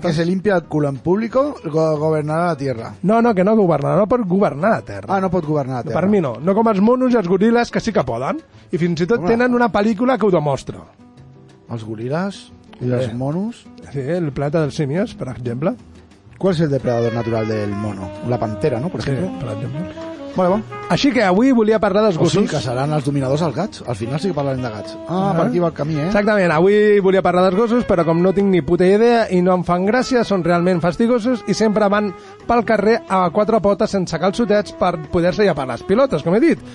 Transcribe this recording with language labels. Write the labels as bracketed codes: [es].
[es] que se limpia el culo en público governarà la Tierra. [ca] No, no, que no governarà. No pot governar la Terra. Ah, no pot governar la Terra. Per mi no. No com els monos i els goril·les, que sí que poden. I fins i tot tenen una pel·lícula que ho demostra. Els goril·les i els monos... Sí, el planeta dels simios, per exemple. [es] ¿Cuál es el depredador natural del mono? La pantera, ¿no? [ca] Per exemple. Vale, bon. Així que avui volia parlar dels gossos. O sigui que seran els dominadors dels gats. Al final sí que parlarem de gats. Ah, per aquí va el camí, eh? Exactament, avui volia parlar dels gossos, però com no tinc ni puta idea i no em fan gràcia, són realment fastigosos i sempre van pel carrer a quatre potes sense calçotets per poder-se llepar les pilotes, com he dit.